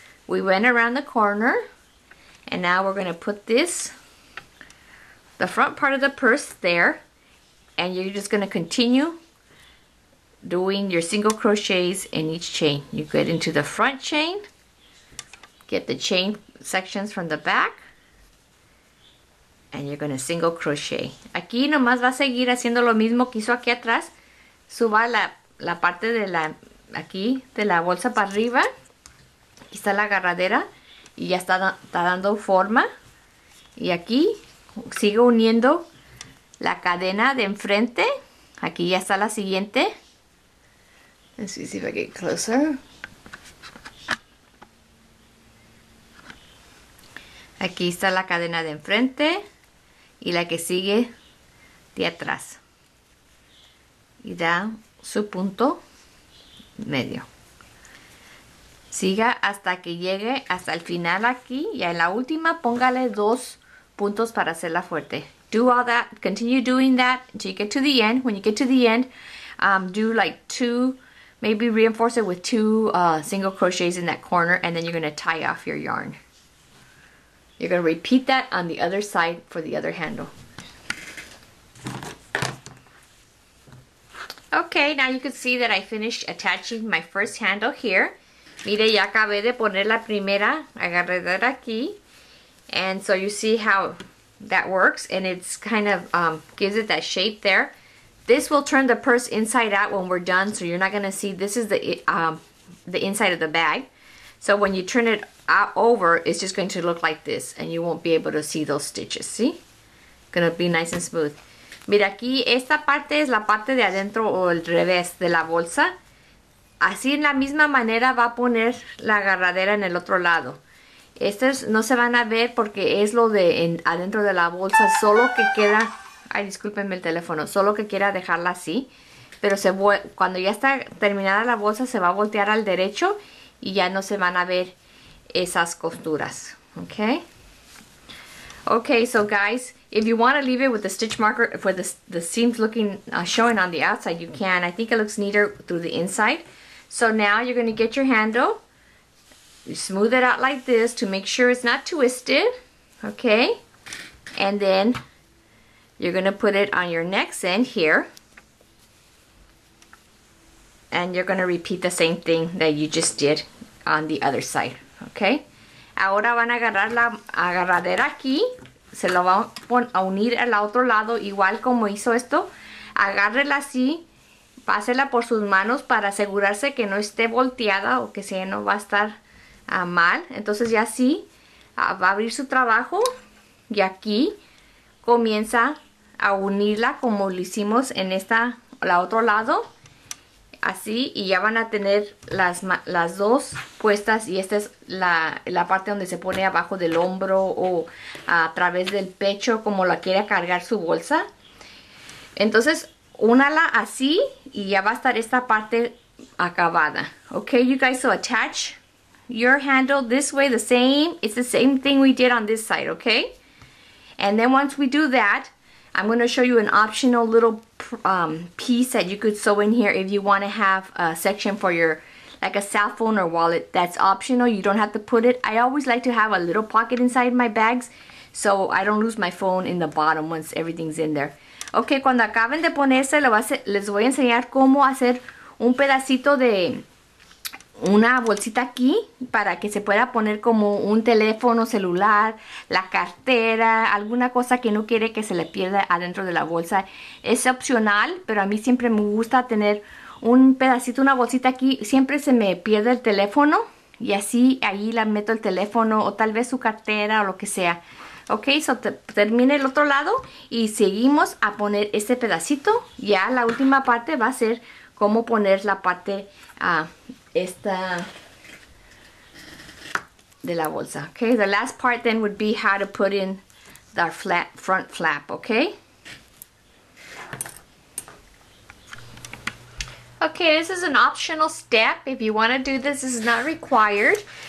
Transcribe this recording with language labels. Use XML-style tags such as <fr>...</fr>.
<en>We went around the corner, and now we're gonna put this, the front part of the purse there, and you're just gonna continue doing your single crochets in each chain. You get into the front chain, get the chain sections from the back, and you're gonna single crochet.</en> <es>Aquí nomás va a seguir haciendo lo mismo que hizo aquí atrás. Suba la parte de la, aquí, de la bolsa para arriba. Aquí está la agarradera y ya está dando forma. Y aquí sigue uniendo la cadena de enfrente. Aquí ya está la siguiente.</es> <en>Let's see if I get closer.</en> <es>Aquí está la cadena de enfrente y la que sigue de atrás. Y da su punto medio. Siga hasta que llegue hasta el final aquí y en la última póngale dos puntos para hacerla fuerte.</es> <en>Do all that, continue doing that until you get to the end. When you get to the end, do like two, maybe reinforce it with two single crochets in that corner, and then you're going to tie off your yarn. You're going to repeat that on the other side for the other handle. Okay, now you can see that I finished attaching my first handle here.</en> <es>Mire, ya acabé de poner la primera agarradera aquí.</es> <en>And so you see how that works, and it's kind of gives it that shape there. This will turn the purse inside out when we're done, so you're not gonna see, this is the inside of the bag. So when you turn it out over, it's just going to look like this, and you won't be able to see those stitches, see? Gonna be nice and smooth.</en> <es>Mira aquí, esta parte es la parte de adentro o el revés de la bolsa. Así en la misma manera va a poner la agarradera en el otro lado. Estas no se van a ver porque es lo de adentro de la bolsa, solo que queda... Ay, discúlpenme el teléfono. Solo que quiera dejarla así. Pero cuando ya está terminada la bolsa, se va a voltear al derecho y ya no se van a ver esas costuras. Okay?</es> <en>Okay, so guys, if you want to leave it with the stitch marker for the seams looking showing on the outside, you can. I think it looks neater through the inside. So now you're going to get your handle. You smooth it out like this to make sure it's not twisted. Okay? And then... you're going to put it on your next end here. And you're going to repeat the same thing that you just did on the other side.</en> <es>Okay? Ahora van a agarrar la agarradera aquí. Se lo van a unir al otro lado, igual como hizo esto. Agárrela así. Pásela por sus manos para asegurarse que no esté volteada o que si no va a estar mal. Entonces ya así va a abrir su trabajo. Y aquí comienza a unirla como lo hicimos en esta, la otro lado, así, y ya van a tener las dos puestas, y esta es la parte donde se pone abajo del hombro o a través del pecho, como la quiere cargar su bolsa. Entonces, únala así, y ya va a estar esta parte acabada.</es> <en>Okay, you guys, so attach your handle this way, the same, it's the same thing we did on this side, okay? And then once we do that, I'm going to show you an optional little piece that you could sew in here if you want to have a section for your, like a cell phone or wallet. That's optional. You don't have to put it. I always like to have a little pocket inside my bags so I don't lose my phone in the bottom once everything's in there.</en> <es>Okay, cuando acaben de ponerse, les voy a enseñar cómo hacer un pedacito de una bolsita aquí para que se pueda poner como un teléfono celular, la cartera, alguna cosa que no quiere que se le pierda adentro de la bolsa. Es opcional, pero a mí siempre me gusta tener un pedacito, una bolsita aquí. Siempre se me pierde el teléfono y así ahí la meto el teléfono o tal vez su cartera o lo que sea. Ok, so termine el otro lado y seguimos a poner este pedacito. Ya la última parte va a ser cómo poner la parte a... esta de la bolsa.</es> <en>Okay, the last part then would be how to put in the front flap, okay? Okay, this is an optional step. If you want to do this, this is not required.</en>